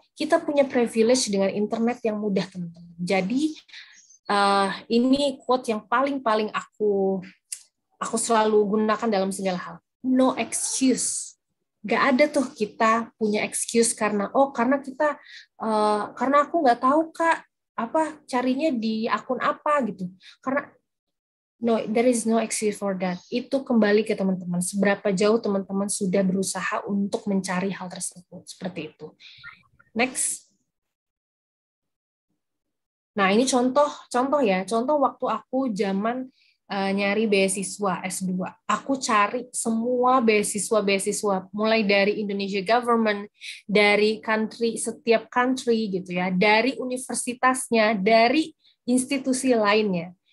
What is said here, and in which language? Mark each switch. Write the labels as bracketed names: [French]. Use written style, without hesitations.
[Indonesian] Kita punya privilege dengan internet yang mudah, teman-teman. Jadi ini quote yang paling-paling aku selalu gunakan dalam segala hal. [English] No excuse. [Indonesian] Gak ada tuh kita punya excuse karena aku nggak tahu kak apa carinya di akun apa gitu. Karena [English] no, there is no excuse for that. [Indonesian] Itu kembali ke teman-teman. Seberapa jauh teman-teman sudah berusaha untuk mencari hal tersebut seperti itu. Next. Nah ini contoh waktu aku zaman nyari beasiswa S2. Aku cari semua beasiswa-beasiswa, mulai dari Indonesia government, dari country, setiap country gitu ya, dari universitasnya, dari institusi lainnya.